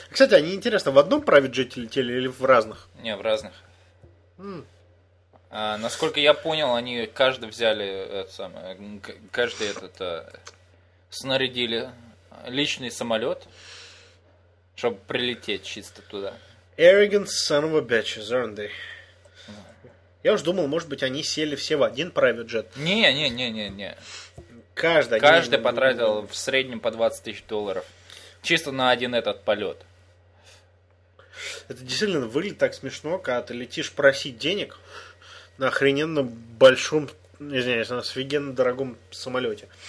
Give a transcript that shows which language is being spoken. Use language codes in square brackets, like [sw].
[ru] Кстати, они, интересно, в одном private jet летели или в разных? Не, в разных. А, насколько я понял, они каждый взяли, это самое, каждый этот, снарядили личный самолет, чтобы прилететь чисто туда. [en] Arrogant son of a bitch, aren't they? [ru] Я уж думал, может быть, они сели все в один private jet. Не-не-не-не-не. Каждый день... потратил в среднем по 20 тысяч долларов. Чисто на один этот полет. Это действительно выглядит так смешно, когда ты летишь просить денег на охрененно большом, извиняюсь, на офигенно дорогом самолете.